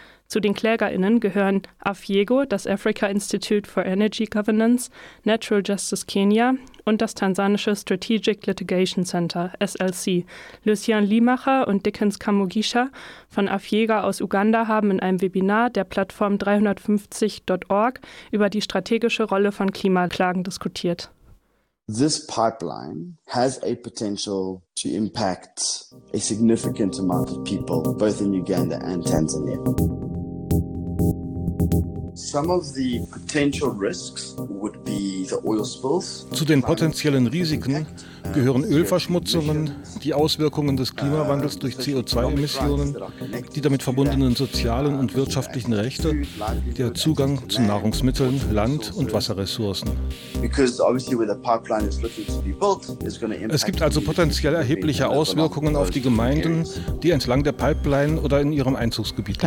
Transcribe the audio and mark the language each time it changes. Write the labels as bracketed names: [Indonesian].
[German] Zu den KlägerInnen gehören AFIEGO, das Africa Institute for Energy Governance, Natural Justice Kenya und das tansanische Strategic Litigation Center, SLC. Lucien Limacher und Dickens Kamugisha von AFIEGO aus Uganda haben in einem Webinar der Plattform 350.org über die strategische Rolle von Klimaklagen diskutiert. [English] This pipeline has a potential to impact a significant amount of people, both in Uganda and Tanzania. Some of the potential risks would be the oil spills. [German] Zu den potenziellen Risiken gehören Ölverschmutzungen, die Auswirkungen des Klimawandels durch CO2-Emissionen, die damit verbundenen sozialen und wirtschaftlichen Rechte, der Zugang zu Nahrungsmitteln, Land- und Wasserressourcen. Es gibt also potenziell erhebliche Auswirkungen auf die Gemeinden, die entlang der Pipeline oder in ihrem Einzugsgebiet leben.